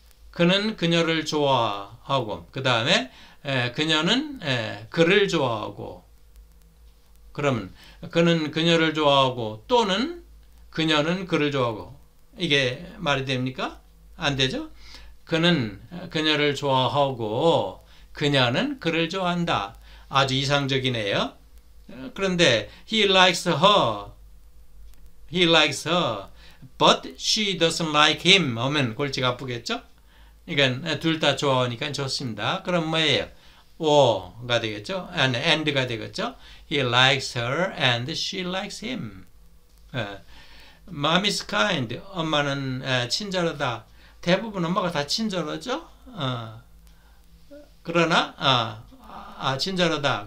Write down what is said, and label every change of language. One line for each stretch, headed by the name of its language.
Korean: 그는 그녀를 좋아하고 그 다음에 그녀는 그를 좋아하고 그러면 그는 그녀를 좋아하고 또는 그녀는 그를 좋아하고 이게 말이 됩니까? 안 되죠? 그는 그녀를 좋아하고 그녀는 그를 좋아한다. 아주 이상적이네요. 그런데
English: he likes her, but she doesn't like him.
Korean: 하면 골치가 아프겠죠? 그러니까 둘다 좋아하니까 좋습니다. 그럼 뭐예요? or가 되겠죠? and가 되겠죠?
English: He likes her and she likes him. Mom is kind.
Korean: 엄마는 친절하다. 대부분 엄마가 다 친절하죠? 그러나 친절하다.